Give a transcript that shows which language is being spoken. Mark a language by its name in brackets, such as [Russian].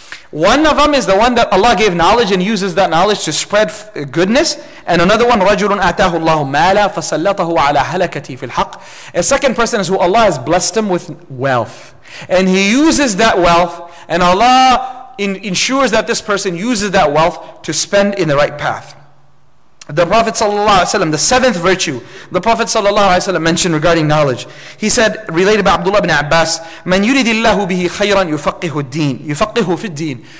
[English] One of them is the one that Allah gave knowledge and uses that knowledge to spread goodness. And another one, [Arabic] رَجُلٌ أَتَاهُ اللَّهُ مَالًا فَسَلَّطَهُ عَلَى هَلَكَتِي فِي الْحَقِّ. [English] A second person is who Allah has blessed him with wealth. And he uses that wealth, and Allah ensures that this person uses that wealth to spend in the right path. The Prophet ﷺ, the seventh virtue the Prophet ﷺ mentioned regarding knowledge, he said, related by Abdullah ibn Abbas, [Arabic] مَنْ يُرِدِ اللَّهُ بِهِ خَيْرًا يُفَقِّهُ الدِّينَ يُفَقِّهُ فِي الدِّينَ.